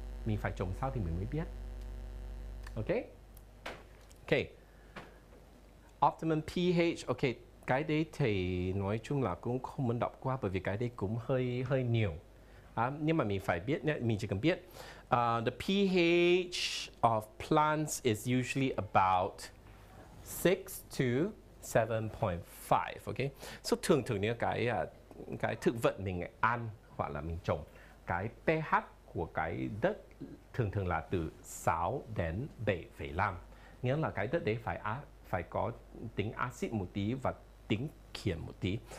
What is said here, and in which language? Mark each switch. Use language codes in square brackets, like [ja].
[vi] Mình phải trồng sau thì mình mới biết. Okay. Optimum pH. Okay. Cái đấy thì nói chung là cũng không muốn đọc qua bởi vì cái đấy cũng hơi nhiều. Nhưng mà mình phải biết, mình chỉ cần biết. [en] The pH of plants is usually about 6 to 7.5. Okay? [vi] So thường nếu cái thực vật mình ăn hoặc là mình trồng, cái pH của cái đất thường là từ 6 đến 7.5. Nghĩa là cái đất đấy phải có tính acid một tí và tính khiển một tí.